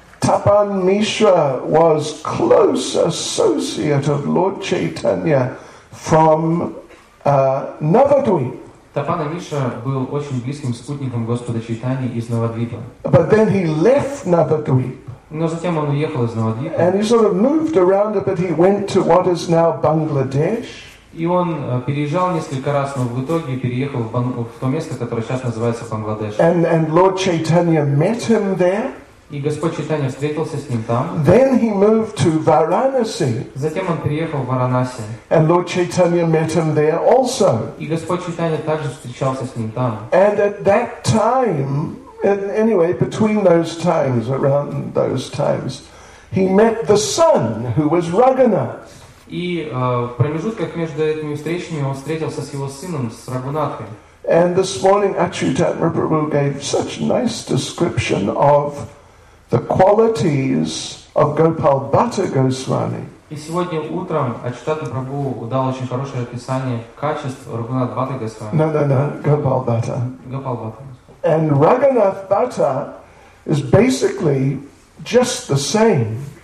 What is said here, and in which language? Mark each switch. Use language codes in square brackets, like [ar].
[en] Tapan Mishra was close associate of Lord Chaitanya from Navadvip. [ru] Tapan Mishra был очень близким спутником Господа Чайтаньи из Навадвипа. [en] But then he left Навадвип. [ru] Но затем он уехал из Новодвипа. [en] And he sort of moved around a bit. He went to what is now Bangladesh. [ru] И он переезжал несколько раз, но в итоге переехал в то место, которое сейчас называется Бангладеш. [en] And Lord Chaitanya met him there. [ru] И Господь Чайтанья встретился с ним там. [en] Then he moved to Varanasi. [ru] Затем он переехал в Варанаси. [en] And Lord Chaitanya met him there also. [ru] И Господь Чайтанья также встречался с ним там. [en] And at that time, anyway, between those times, around those times, he met the son who was Raghunath. [ru] И в промежутках между этими встречами он встретился с его сыном, с Рагунатхой. [en] And this morning Acyutana Prabhu gave such nice description of the qualities of Gopal Bhatta Goswami. [ru] И сегодня утром Acyutana Prabhu дал очень хорошее описание качеств Рагунатха Бхатты Госвами. [en] No, Gopal Bhatta. Gopal Bhatta. And Raghunath Bhatta is basically just the same.